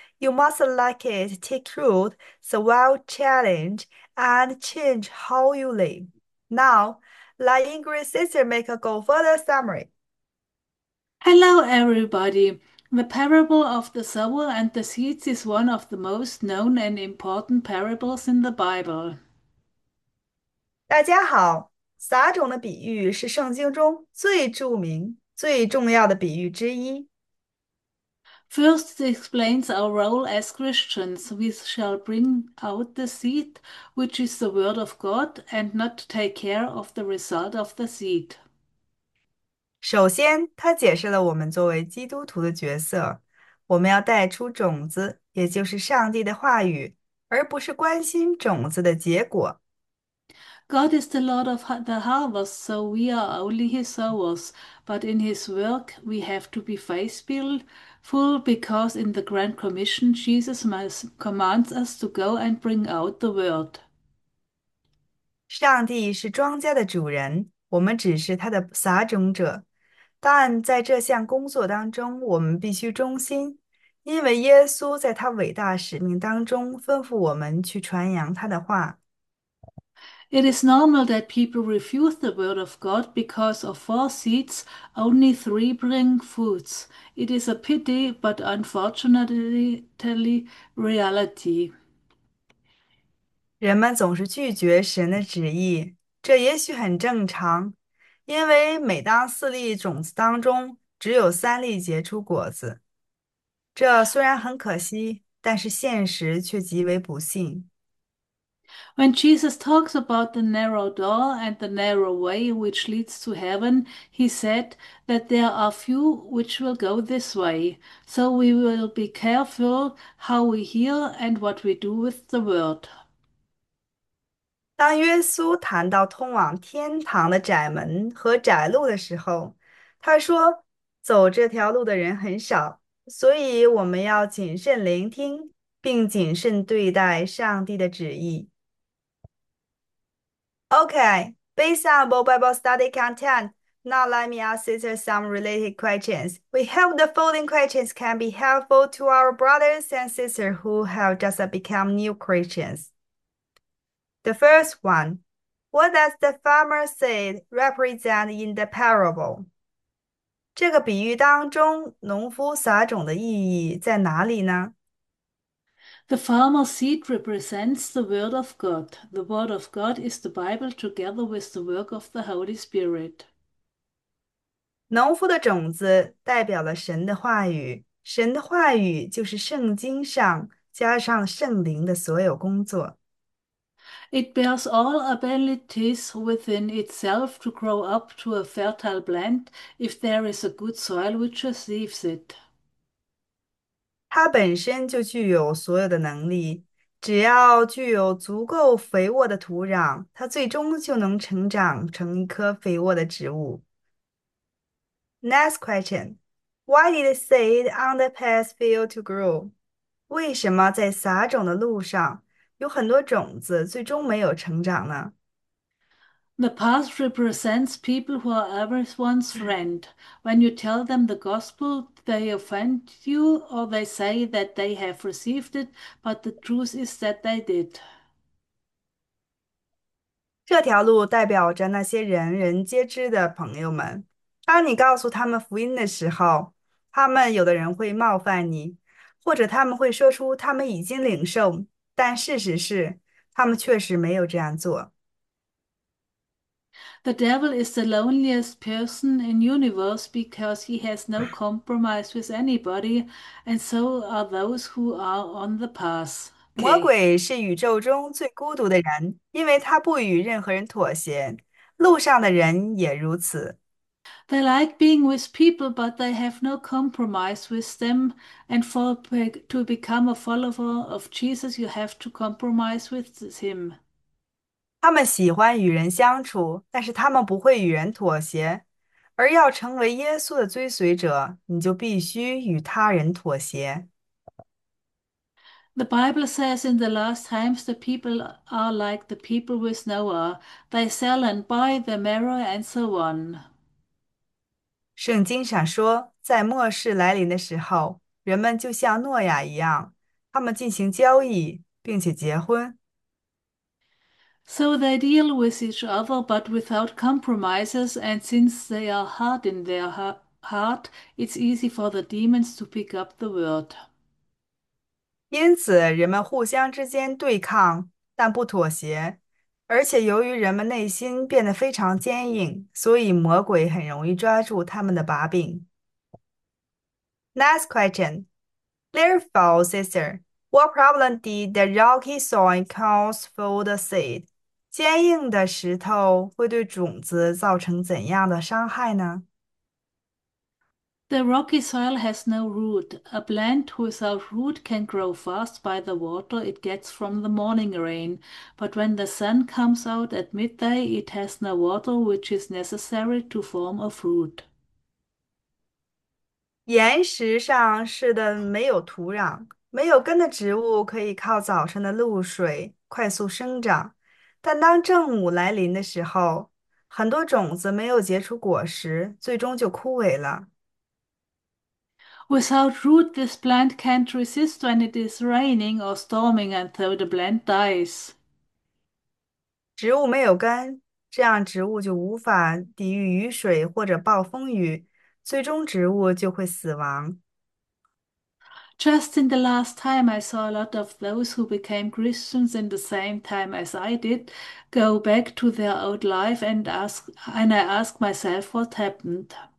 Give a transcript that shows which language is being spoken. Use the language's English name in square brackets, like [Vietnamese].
[English] You must like it, take root, survive challenge, and change how you live. Now, let Ingrid's sister make a go further summary. Hello, everybody. The parable of the sower and the seeds is one of the most known and important parables in the Bible. [Chinese] 大家好，撒种的比喻是圣经中最著名、最重要的比喻之一。 [English] First, it explains our role as Christians. We shall bring out the seed, which is the word of God, and not take care of the result of the seed. [Chinese] 首先，他解释了我们作为基督徒的角色，我们要带出种子，也就是上帝的话语，而不是关心种子的结果。 [English] God is the Lord of the harvest, so we are only his sowers. But in his work, we have to be faithful, because in the Grand Commission, Jesus must commands us to go and bring out the word. [Chinese] 上帝是庄稼的主人，我们只是他的撒种者。但在这项工作当中，我们必须忠心，因为耶稣在他伟大使命当中吩咐我们去传扬他的话。 [English] It is normal that people refuse the word of God because of 4 seeds, only 3 bring fruits. It is a pity, but unfortunately, reality. [Chinese] 人们总是拒绝神的旨意，这也许很正常，因为每当4粒种子当中只有3粒结出果子。这虽然很可惜，但是现实却极为不幸。 [English] When Jesus talks about the narrow door and the narrow way which leads to heaven, he said that there are few which will go this way. So we will be careful how we hear and what we do with the word. [Chinese] 当耶稣谈到通往天堂的窄门和窄路的时候，他说：“走这条路的人很少，所以我们要谨慎聆听，并谨慎对待上帝的旨意。 [English] ”OK，based on our Bible study content, now let me ask sister some related questions. We hope the following questions can be helpful to our brothers and sisters who have just become new Christians. The first one, what does the farmer say represent in the parable? [Chinese] 这个比喻当中，农夫撒种的意义在哪里呢？ [English] The farmer seed represents the word of God. The word of God is the Bible together with the work of the Holy Spirit. [Chinese] 农夫的种子代表了神的话语，神的话语就是圣经上加上圣灵的所有工作。 [English] It bears all abilities within itself to grow up to a fertile plant if there is a good soil which receives it. [Chinese] 它本身就具有所有的能力，只要具有足够肥沃的土壤，它最终就能成长成一棵肥沃的植物。 [English] Next question. Why did the seed on the path fail to grow? [Chinese] 为什么在撒种的路上有很多种子最终没有成长呢？ [English] The path represents people who are everyone's friend. When you tell them the gospel, they offend you or they say that they have received it, but the truth is that they did. [Chinese] 这条路代表着那些人人皆知的朋友们。当你告诉他们福音的时候，他们有的人会冒犯你，或者他们会说出他们已经领受，但事实是，他们确实没有这样做。 [English] The devil is the loneliest person in universe because he has no compromise with anybody, and so are those who are on the path. [Chinese] 魔鬼是宇宙中最孤独的人，因为他不与任何人妥协，路上的人也如此。 [English] They like being with people, but they have no compromise with them. And for to become a follower of Jesus, you have to compromise with him. [Chinese] 他们喜欢与人相处，但是他们不会与人妥协。而要成为耶稣的追随者，你就必须与他人妥协。 [English] The Bible says in the last times the people are like the people with Noah. They sell and buy, they marry and so on. [Chinese] 圣经上说，在末世来临的时候，人们就像诺亚一样，他们进行交易，并且结婚。 [English] So they deal with each other but without compromises, and since they are hard in their heart, it's easy for the demons to pick up the word. [Chinese] 因此，人们互相之间对抗，但不妥协。而且，由于人们内心变得非常坚硬，所以魔鬼很容易抓住他们的把柄。 [English] Next question. Therefore, sister, what problem did the rocky soil cause for the seed? [Chinese] 坚硬的石头会对种子造成怎样的伤害呢？ [English] The rocky soil has no root. A plant without root can grow fast by the water it gets from the morning rain, but when the sun comes out at midday, it has no water which is necessary to form a fruit. [Chinese] 岩石上是的，没有土壤，没有根的植物可以靠早晨的露水快速生长。但当正午来临的时候，很多种子没有结出果实，最终就枯萎了。 [English] Without root, this plant can't resist when it is raining or storming, and so the plant dies. [Chinese] 植物没有根，这样植物就无法抵御雨水或者暴风雨。最终，植物就会死亡。 [English] Just in the last time, I saw a lot of those who became Christians in the same time as I did go back to their old life and I ask myself what happened.